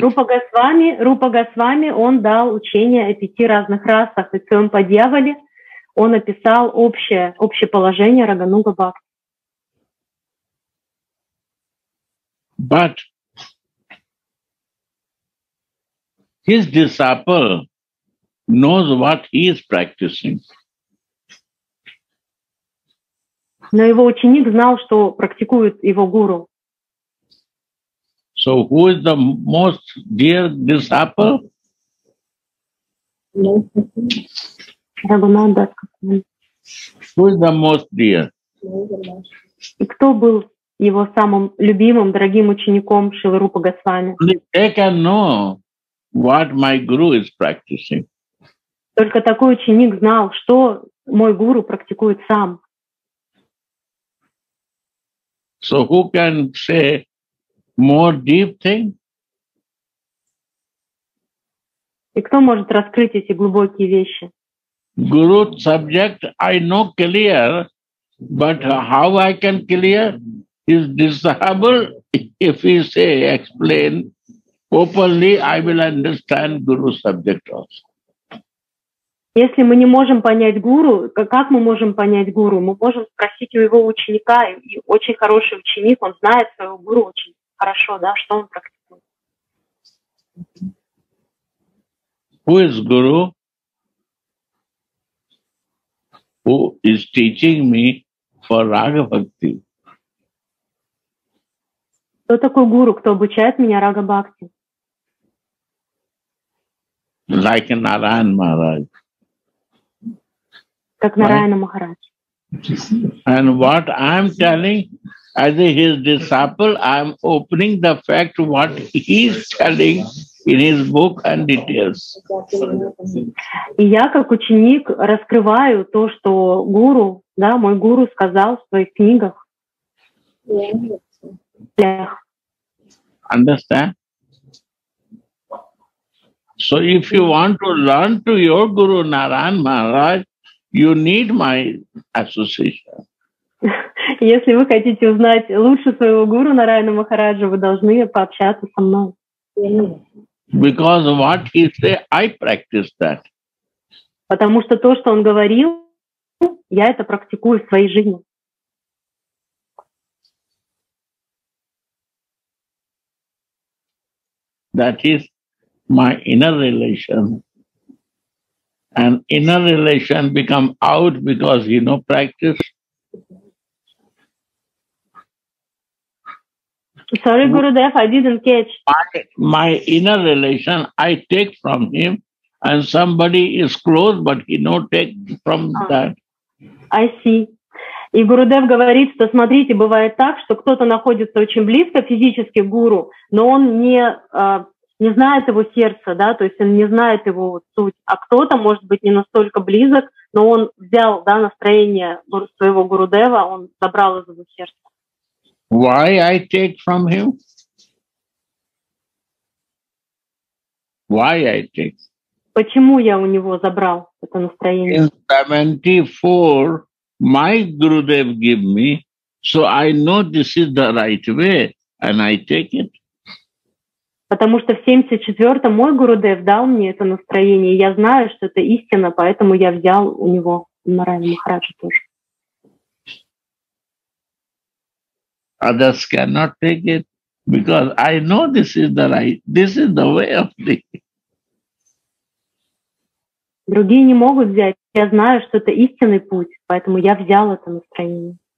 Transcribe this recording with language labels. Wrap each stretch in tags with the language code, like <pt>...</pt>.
<ru>Рупа Госвами, он дал учение о пяти разных расах. И в своем подъяволе он описал общее положение Рагануга Бхакти.</ru> <en>But his disciple knows what he is practicing.</en> <ru>Но его ученик знал, что практикует его гуру.</ru> <en>So who is the most dear disciple? Who is the most dear?</en> <ru>И кто был его самым любимым, дорогим учеником Шрилы Рупы Госвами?</ru> <en>They can know what my guru is practicing.</en> <ru>Только такой ученик знал, что мой гуру практикует сам.</ru> <en>So who can say more deep thing?</en> <ru>И кто может раскрыть эти глубокие вещи?</ru> <en>Guru subject I know clear, but how I can clear is disable. If he say explain openly, I will understand guru subject also.</en> <ru>Если мы не можем понять гуру, как мы можем понять гуру? Мы можем спросить у его ученика, и очень хороший ученик, он знает своего гуру очень хорошо, да, что он практикует.</ru> <en>Who is guru? Who is teaching me for Raga Bhakti?</en> <ru>Кто такой гуру, кто обучает меня Рага Бхакти?</ru> <en>Like Narayan Maharaj.</en> <ru>Как Нараяна Махарадж.</ru> <en>And what I'm telling, as his disciple, I'm opening the fact what he's telling in his book and details.</en> <ru>И я как ученик раскрываю то, что гуру, да, мой гуру сказал в своих книгах.</ru> <en>Understand? So if you want to learn to your guru Narayan Maharaj, you need my association.</en> <ru>Если вы хотите узнать лучше своего гуру Нараяна Махараджа, вы должны пообщаться со мной.</ru> <en>Because what he say, I practice that.</en> <ru>Потому что то, что он говорил, я это практикую в своей жизни.</ru> <en>That is my inner relation. And inner relation become out because you know practice. Sorry, Gurudev, I didn't catch. My inner relation, I take from him, and somebody is close, but he no take from that. I see.</en> <ru>И Гурудев говорит, что смотрите, бывает так, что кто-то находится очень близко физически к гуру, но он не знает его сердце, да, то есть он не знает его суть, а кто-то, может быть, не настолько близок, но он взял, да, настроение своего Гурудева, он забрал из его сердца.</ru> <en>Why I take from him? Why I take?</en> <ru>Почему я у него забрал это настроение?</ru> <en>In 74, my Gurudev give me, so I know this is the right way, and I take it.</en> <ru>Потому что в 74-м мой Гурудев дал мне это настроение. Я знаю, что это истина, поэтому я взял у него Нараяна Махараджа тоже.</ru> <en>Others cannot take it, because I know this is the right, this is the way of thinking.</en> <ru>Другие не могут взять. Я знаю, что это истинный путь, поэтому я взял это настроение.</ru>